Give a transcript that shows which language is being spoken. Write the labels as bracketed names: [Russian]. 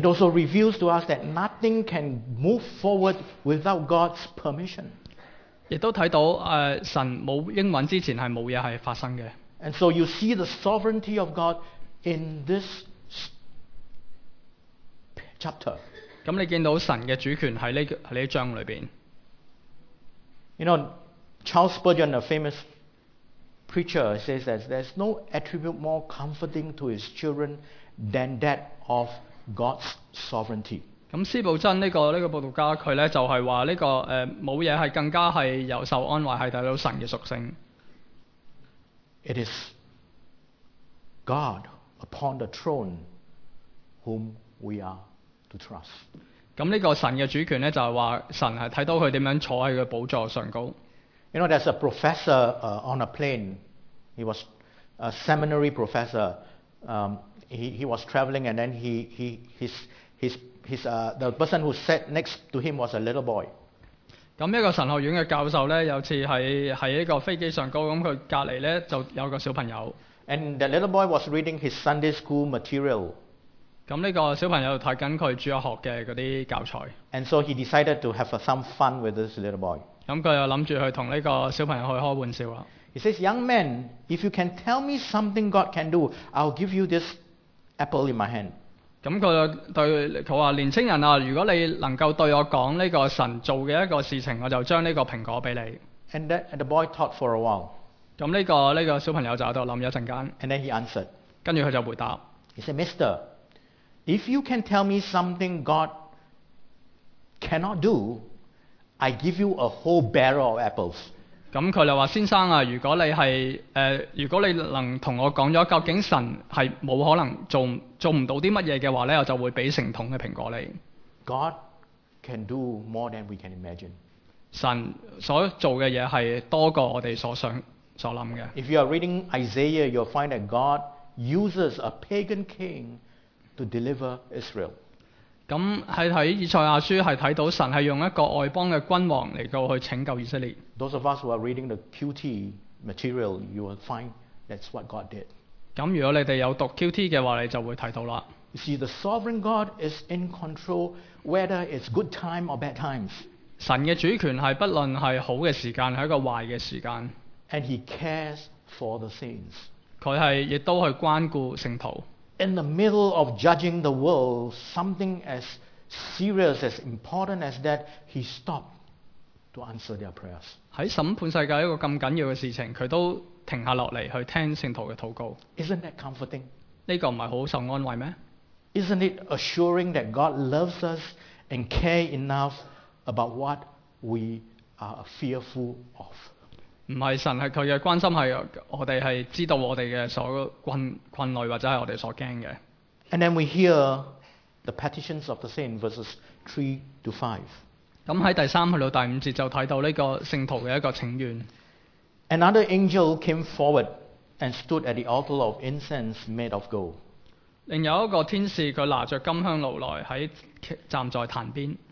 [English] It also reveals to us that nothing can move forward without God's permission， [Cantonese] 亦都睇到神冇應允之前係冇嘢係發生嘅。 [English] And so you see the sovereignty of God。 In this chapter, [Cantonese] 咁你见到神嘅主权喺呢章里边。 [English] You know, Charles Spurgeon, a famous preacher, says that there's no attribute more comforting to his children than that of God's sovereignty。 [Cantonese] 咁施布真呢、這個報道家佢咧就係話呢個冇嘢係更加係有受安慰係睇到神嘅屬性。 [English] It is God upon the throne whom we are to trust。 [Cantonese] 咁呢個神嘅主權咧就係話神係睇到佢點樣坐喺佢寶座上高。 [English] You know, there's a professor on a plane. He was a seminary professor. He was traveling, and then the person who sat next to him was a little boy. [Cantonese] 咁一個神學院嘅教授咧，有次喺一個飛機上高，咁佢隔離咧就有個小朋友。 [English] And the little boy was reading his Sunday school material. [Cantonese] 咁呢個小朋友睇緊佢主日學嘅嗰啲教材。 [English] And so he decided to have some fun with this little boy. [Cantonese] 咁佢又谂住去同呢个小朋友去开玩笑啦。 [English] He says, "Young man, if you can tell me something God can do, I'll give you this apple in my hand." [Cantonese] 咁佢对佢话：年轻人啊，如果你能够对我讲呢个神做嘅一个事情，我就将呢个苹果俾你。 [English] And the boy thought for a while. [Cantonese] 咁呢个小朋友就喺度谂一阵间。 [English] And then he answered. [Cantonese] 跟住佢就回答。 [English] He said, "Mister, if you can tell me something God cannot do." I give you a whole barrel of apples. [Cantonese] 咁佢就话：先生啊，如果你系如果你能同我讲咗究竟神系冇可能做唔到啲乜嘢嘅话咧，我就会俾成桶嘅苹果你。 [English] God can do more than we can imagine. [Cantonese] 神所做嘅嘢系多过我哋所想所谂嘅。 [English] If you are reading Isaiah, you'll find that God uses a pagan king to deliver Israel. [Cantonese] 咁喺以赛亚书系睇到神系用一个外邦嘅君王嚟到去拯救以色列。 [English] Those of us who are reading the QT material, you will find that's what God did. [Cantonese] 咁如果你哋有读 QT 嘅话，你就会睇到啦。 [English] You see, the sovereign God is in control whether it's good time or bad times. [Cantonese] 神嘅主权系不论系好嘅时间，系一个坏嘅时间。 [English] And He cares for the saints. [Cantonese] 佢系亦都系关顾圣徒。 [English] In the middle of judging the world, something as serious, as important as that, he stopped to answer their prayers. [Cantonese] 在审判世界一个咁紧要嘅事情，佢都停下落嚟去听圣徒嘅祷告。 [English] Isn't that comforting? [Cantonese] 呢个唔系好受安慰咩？ [English] Isn't it assuring that God loves us and care enough about what we are fearful of? [Cantonese] 唔系神系佢嘅关心，系我哋系知道我哋嘅所困累或者系我哋所惊嘅。 [English] And then we hear the petitions of the saints verses 3-5. [Cantonese] 咁喺第三去到第五节就睇到呢个圣徒嘅一个请愿。 [English] Another angel came forward and stood at the altar of incense made of gold. [Cantonese] 另有一个天使佢拿着金香炉来喺站在坛边。